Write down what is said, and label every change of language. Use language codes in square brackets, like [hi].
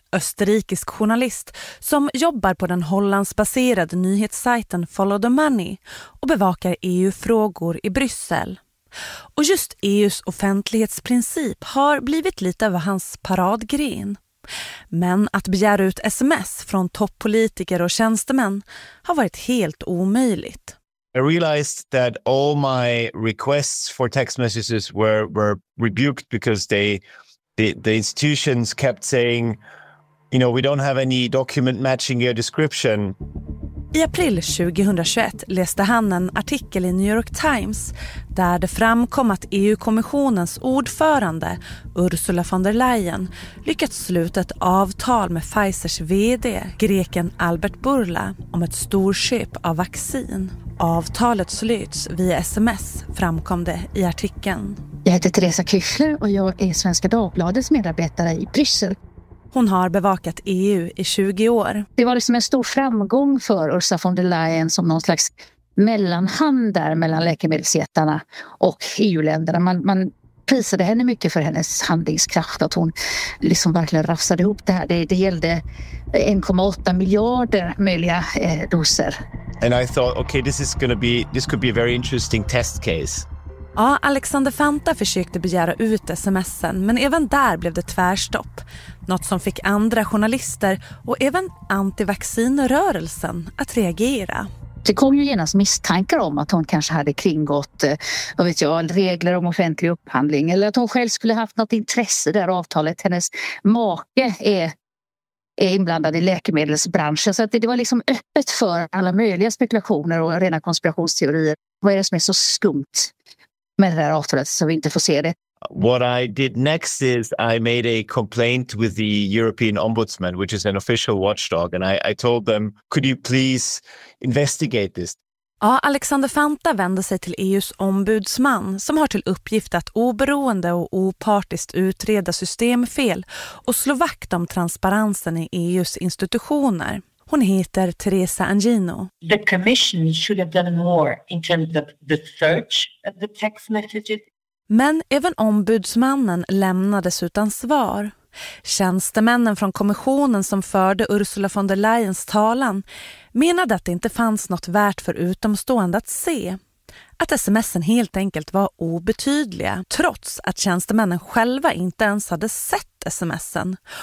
[sv] Österrikisk journalist som jobbar på den hollandsbaserade nyhetssajten Follow the Money och bevakar EU-frågor i Bryssel. Och just EUs offentlighetsprincip har blivit lite av hans paradgren. Men att begära ut sms från toppolitiker och tjänstemän har varit helt omöjligt. [en] I realized that all my requests for text messages were rebuked because the institutions kept saying, you know, we don't have any document matching your description. [sv] I april 2021 läste han en artikel i New York Times där det framkom att EU-kommissionens ordförande Ursula von der Leyen lyckats sluta ett avtal med Pfizers vd, greken Albert Bourla, om ett storköp av vaccin. Avtalet sluts via sms, framkom det i artikeln. Jag heter Teresa Küchler och jag är Svenska Dagbladets medarbetare i Bryssel. Hon har bevakat EU i 20 år. Det var liksom en stor framgång för Ursula von der Leyen som någon slags mellanhand där mellan läkemedelsjättarna och EU-länderna. Man prisade henne mycket för hennes handlingskraft, att hon liksom verkligen rafsade ihop det här. Det gällde 1,8 miljarder möjliga doser. [en] And I thought, okay, this could be a very interesting test case. [sv] Ja, Alexander Fanta försökte begära ut sms:en, men även där blev det tvärstopp. Något som fick andra journalister och även antivaccinrörelsen att reagera. Det kom ju genast misstankar om att hon kanske hade kringgått, vad vet jag, regler om offentlig upphandling. Eller att hon själv skulle haft något intresse i det här avtalet. Hennes make är inblandad i läkemedelsbranschen. Så att det var liksom öppet för alla möjliga spekulationer och rena konspirationsteorier. Vad är det som är så skumt med det här avtalet så vi inte får se det? [en] What I did next is I made a complaint with the European Ombudsman, which is an official watchdog, and I told them, could you please investigate this? [sv] Ja, Alexander Fanta vände sig till EUs ombudsman som har till uppgift att oberoende och opartiskt utreda systemfel och slå vakt om transparensen i EUs institutioner. Hon heter Teresa Angino. [en] The commission should have done more in terms of the search of the text messages. [sv] Men även ombudsmannen lämnades utan svar. Tjänstemännen från kommissionen som förde Ursula von der Leyens talan menade att det inte fanns något värt för utomstående att se. Att sms:en helt enkelt var obetydliga, trots att tjänstemännen själva inte ens hade sett sms:en.